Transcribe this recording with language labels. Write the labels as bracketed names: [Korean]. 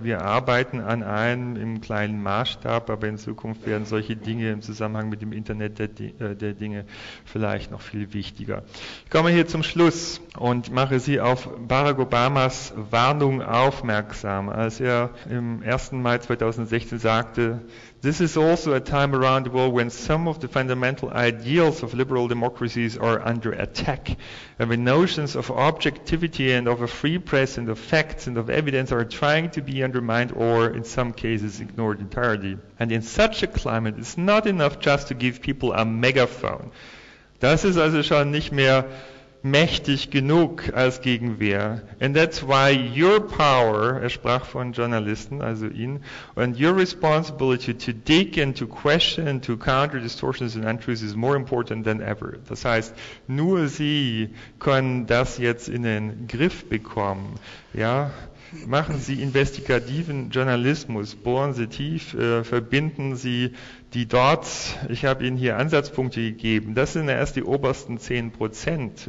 [German] Wir arbeiten an einem im kleinen Maßstab, aber in Zukunft werden solche Dinge im Zusammenhang mit dem Internet der Dinge vielleicht noch viel wichtiger. Ich komme hier zum Schluss und mache Sie auf Barack Obamas Warnung aufmerksam, als er im 1. [English] Mai 2016 sagte: "This is also a time around the world when some of the fundamental ideals of liberal democracies are under attack, and when notions of objectivity and of a free press and of facts and of evidence are trying to be undermined or, in some cases, ignored entirely. And in such a climate, it's not enough just to give people a megaphone." [German] Das ist also schon nicht mehr mächtig genug als Gegenwehr. [English] "And that's why your power," er sprach von Journalisten, also ihn, "and your responsibility to dig and to question and to counter distortions and untruths is more important than ever." [German] Das heißt, nur Sie können das jetzt in den Griff bekommen. Ja? Machen Sie investigativen Journalismus, bohren Sie tief, verbinden Sie die Dots. Ich habe Ihnen hier Ansatzpunkte gegeben. Das sind ja erst die obersten 10%.